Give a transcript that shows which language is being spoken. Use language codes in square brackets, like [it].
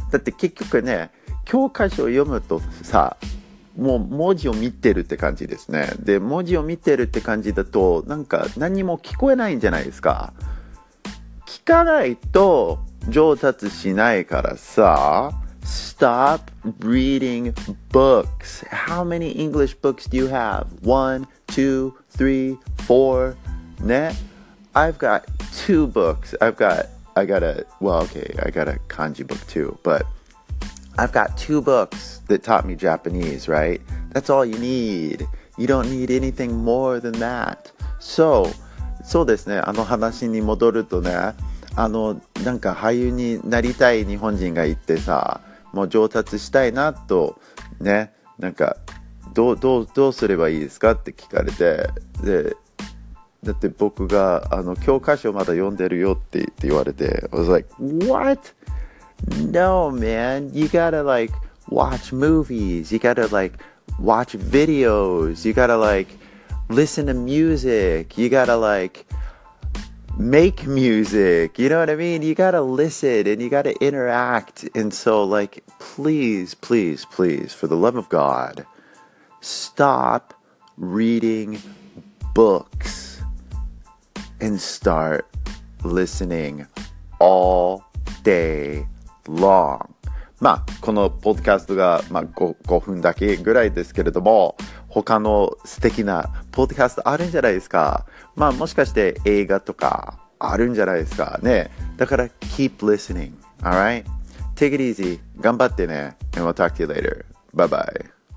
[ja] だって結局ね、教科書を読むとさ、もう文字を見てるって感じですね。で、文字を見てるって感じだと、なんか何も聞こえないんじゃないですか？聞かないと上達しないからさ。 [en] Stop reading books. How many English books do you have? 1, 2, 3, 4. Ne? I've got 2 books. I got a kanji book too. But I've got 2 books that taught me Japanese, right? That's all you need. You don't need anything more than that. [ja] So, そうですね。あの話に戻るとね、あのなんか俳優になりたい日本人がいてさ、もう上達したいなとね、なんかどうすればいいですかって聞かれて、でだって僕があの教科書まだ読んでるよって言われて、 [en] I was like, what? No man, you gotta like watch movies, you gotta like watch videos, you gotta like listen to music, you gotta like make music, you know what I mean? You gotta listen and you gotta interact. And so, like, please, please, please, for the love of God, stop reading books and start listening all day long. [ja] まあ、このポッドキャストが、まあ、5分だけぐらいですけれども、他の素敵なポッドキャストあるんじゃないですか。まあもしかして映画とかあるんじゃないですかね。だから [en] keep listening, alright? Take it easy. [ja] 頑張ってね。 [en] And we'll talk to you later. Bye bye.